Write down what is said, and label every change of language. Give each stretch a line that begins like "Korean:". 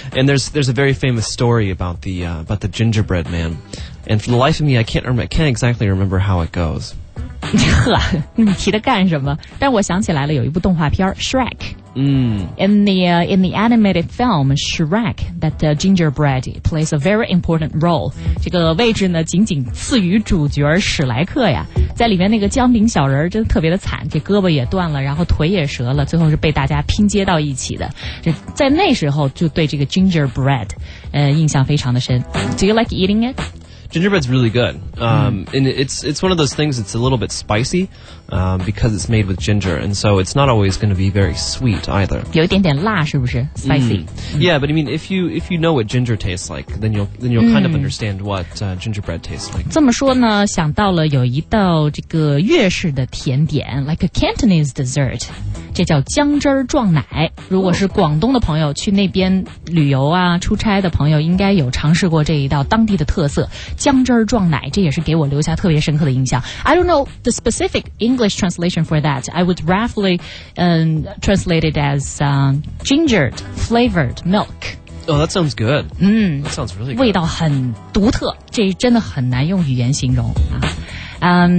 English: And there's a very famous story about the gingerbread man. And for the life of me, I can't exactly remember how it goes.
Chinese: 呵，你提的干什么？但我想起来了，有一部动画片 Shrek.
English: In the animated film Shrek, that gingerbread plays a very important role.
Chinese: 这个位置呢，仅仅次于主角史莱克呀。在里面那个姜饼小人真的特别的惨，这胳膊也断了，然后腿也折了，最后是被大家拼接到一起的。这在那时候就对这个 gingerbread, 印象非常的深。
English: Do you like eating it? Gingerbread's really good. And it's one of those things that's a little bit spicy, because it's made with ginger. And so it's not always going to be very sweet either.
Chinese: 有一点点辣是不是 ?spicy.、
English: Yeah, but I mean, if you know what ginger tastes like, then you'll kind of understand what, gingerbread tastes like.
Chinese: 这么说呢想到了有一道这个粤式的甜点 ,
English: like a Cantonese dessert.
Chinese: 这叫姜汁撞奶。如果是广东的朋友、oh. 去那边旅游啊出差的朋友应该有尝试过这一道当地的特色。姜汁撞奶，这也是给我留下特别深刻的印象。
English: I don't know the specific English translation for that. I would roughly, translate it as, gingered flavored milk. Oh, that sounds good. That sounds really good.
Chinese: 味道很独特，这真的很难用语言形容啊。